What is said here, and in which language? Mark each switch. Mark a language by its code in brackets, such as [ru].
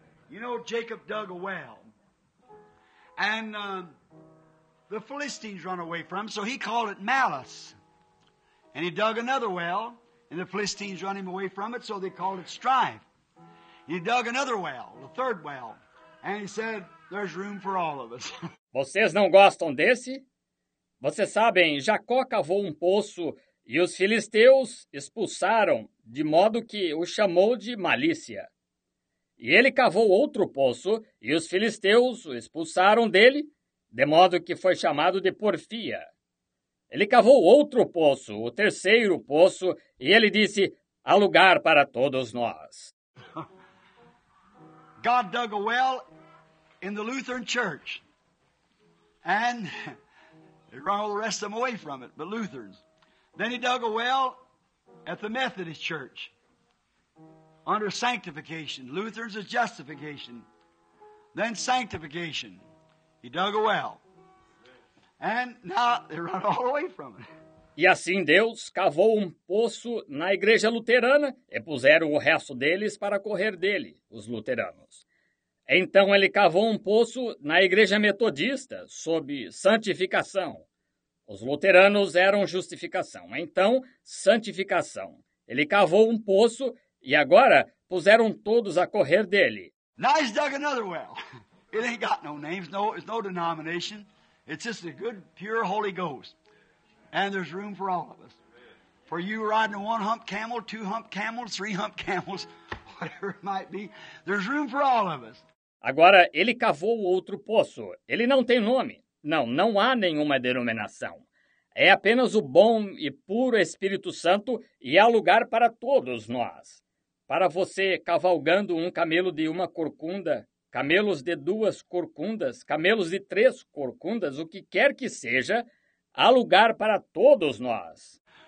[en] You know, Jacob dug a well. And the Philistines run away from him, so he called it Malice. And he dug another well, and the Philistines run him away from it, so they called it Strife. He dug another well, the third well, and he said, there's room for all of us. [pt] Vocês não gostam desse? Vocês sabem, Jacó cavou um poço e os filisteus expulsaram, de modo que o chamou de Malícia. E ele cavou outro poço e os filisteus o expulsaram dele, de modo que foi chamado de Porfia. Ele cavou outro poço, o terceiro poço, e ele disse, há lugar para todos nós. [en] God dug a well in the Lutheran church. And he ran all the rest of them away from it, but Lutherans. Then he dug a well at the Methodist church. Under sanctification, Lutherans is justification. Then sanctification. He dug a well. And now they run all away from it. [pt] E assim Deus cavou um poço na igreja luterana e puseram o resto deles para correr dele, os luteranos. Então ele cavou um poço na igreja metodista, sob santificação. Os luteranos eram justificação. Então, santificação. Ele cavou um poço e agora puseram todos a correr dele. [en] Now he's dug another well. It ain't got no names, no, it's no denomination. It's just a good, pure Holy Ghost. And there's room for all of us. For you riding a one-hump camel, two-hump camels, three-hump camels, whatever it might be, there's room for all of us. [pt] Agora, ele cavou outro poço. Ele não tem nome. Não, não há nenhuma denominação. É apenas o bom e puro Espírito Santo e há lugar para todos nós. Para você cavalgando um camelo de uma corcunda, camelos de duas corcundas, camelos de três corcundas, o que quer que seja, há lugar para todos nós.